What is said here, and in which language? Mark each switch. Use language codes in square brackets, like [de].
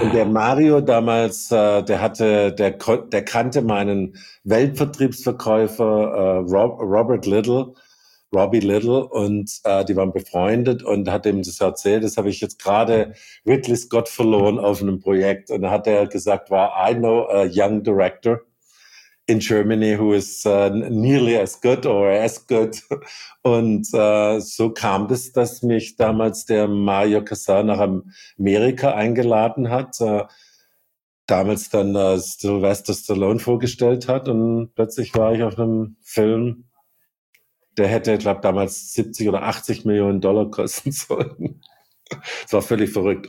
[de] Und der Mario damals, der kannte meinen Weltvertriebsverkäufer, Robbie Little, und die waren befreundet und hat ihm das erzählt, das habe ich jetzt gerade Ridley Scott verloren auf einem Projekt. Und da hat er gesagt, [en] I know a young director in Germany who is nearly as good or as good. [de] Und so kam es, dass mich damals der Mario Casar nach Amerika eingeladen hat, damals dann Sylvester Stallone vorgestellt hat, und plötzlich war ich auf einem Film, der hätte, ich glaube, damals 70 oder 80 Millionen Dollar kosten sollen. Das war völlig verrückt.